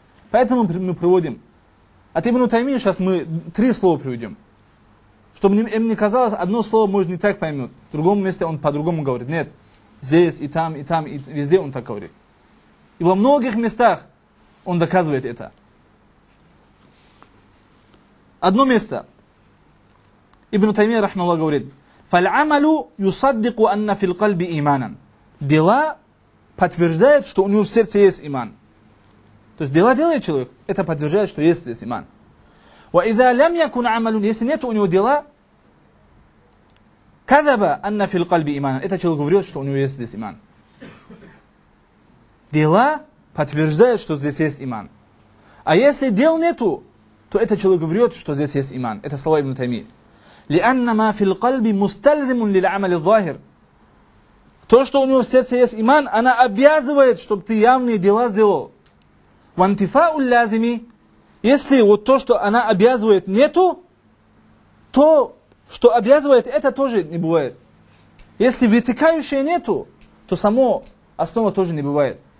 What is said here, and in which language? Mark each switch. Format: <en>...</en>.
<ru>Поэтому мы приводим. От Ибн Таймии сейчас мы три слова приведем. Чтобы им не казалось, одно слово может не так поймет. В другом месте он по-другому говорит. Нет. Здесь, и там, и там, и везде он так говорит. И во многих местах он доказывает это. Одно место. Ибн Таймия, рахмаллах, говорит:</ru> <ar>فَالْعَمَلُ يُصَدِّقُ أَنَّ فِي الْقَلْبِ إِمَانًا.</ar> <ru>Дела подтверждают, что у него в сердце есть иман. То есть дела делает человек, это подтверждает, что есть здесь иман.</ru> <ar>وَإِذَا لَمْ يَكُنْ عَمَلٌ.</ar> <ru>Если нет у него дела,</ru> <ar>كَذَبَ أَنَّ فِي الْقَلْبِ إِمَانًا.</ar> <ru>Это человек говорит, что у него есть здесь иман. Дела подтверждают, что здесь есть иман. А если дел нету, то это человек говорит, что здесь есть иман. Это слова Ибн Таймии.</ru> <ar>لأن ما في القلب مستلزم للعمل الظاهر.</ar> <ru>То, что у него в сердце есть иман, она обязывает, чтобы ты явные дела сделал.</ru> <ar>وانتفاء اللازم.</ar> <ru>Если вот то, что она обязывает, нету, то, что обязывает, это тоже не бывает. Если вытекающее нету, то само основа тоже не бывает.</ru>